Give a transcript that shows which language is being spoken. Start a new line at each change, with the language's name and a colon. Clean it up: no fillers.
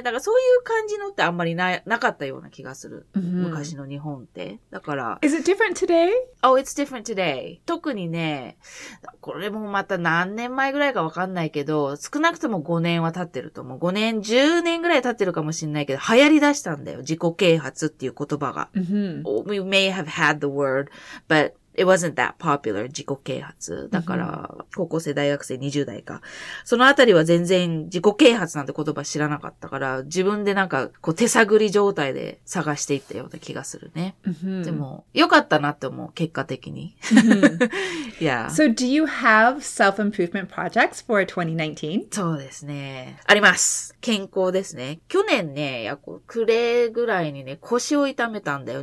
Japanese: だからそういう感じのってあんまりなかったような気がする、昔の日本ってだから。
English: Is it different today? Oh, it's different today.
Japanese: 特にね、これもまた何年前ぐらいかわかんないけど、少なくとも5年は経ってると思う。 5年、10年ぐらい経ってるかもしれないけど、流行り出したんだよ。自己啓発っていう言葉が。
English: We may have had the word, but it wasn't that popular, 自己啓発。
Japanese: だから、高校生、大学生、20代か。そのあたりは全然自己啓発なんて言葉知らなかったから、自分でなんか、こう手探り状態で探していったような気がするね。でも、良かったなって思う、結果的に。
English: Yeah. So do you have self-improvement projects for 2019?
Japanese: そうですね。あります。健康ですね。去年ね、やっぱ、暮れぐらいにね、腰を痛めたんだよ。